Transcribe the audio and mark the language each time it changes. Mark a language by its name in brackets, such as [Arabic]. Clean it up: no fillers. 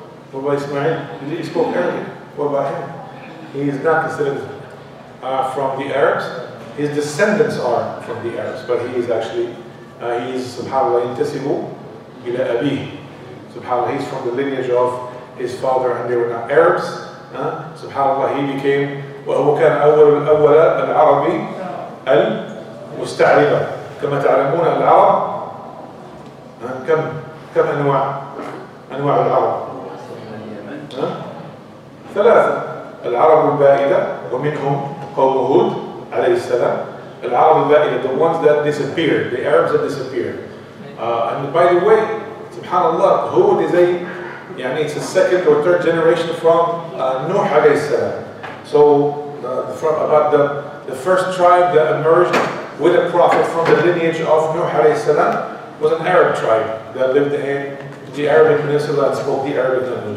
[English] What about Ismail? He spoke Arabic. What about him? He is not considered from the Arabs. His descendants are from the Arabs, but he is actually He is, subhanAllah, intasibu ila abih. SubhanAllah, he's from the lineage of his father, and they were not Arabs. [Arabic] SubhanAllah, [English] he became [Arabic] وَهُوَ كَانْ أَوَّلَ الْعَرَبِ الْمُسْتَعْرِبَ كَمَا تَعْلَمُونَ الْعَرَبِ كم أنواع العرب؟ ثلاثة: العرب البائدة ومنهم قوم هود عليه السلام. العرب البائدة, [English] the ones that disappeared, the Arabs that disappeared. And by the way, subhanAllah, Hud is a, يعني it's a second or third generation from Nuh عليه السلام. So from about the first tribe that emerged with a prophet from the lineage of Nuh عليه السلام was an Arab tribe that lived in the Arabic peninsula and spoke the Arabic language.